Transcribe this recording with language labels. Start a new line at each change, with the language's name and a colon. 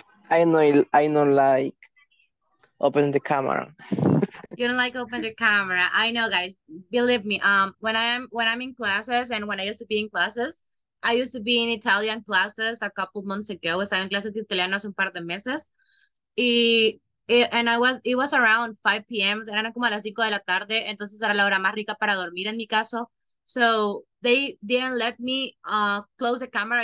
English: I know, like opening the camera. You don't like open the camera. I know, guys. Believe me. When I'm in classes, and when I used to be in classes, I used to be in Italian classes a couple months ago.
Spanish: Estaba en clases de italiano hace un par de meses.
English: It was around 5 p.m.
Spanish: Eran como a las 5 de la tarde. Entonces era la hora más rica para dormir en mi caso.
English: So they didn't let me close the camera.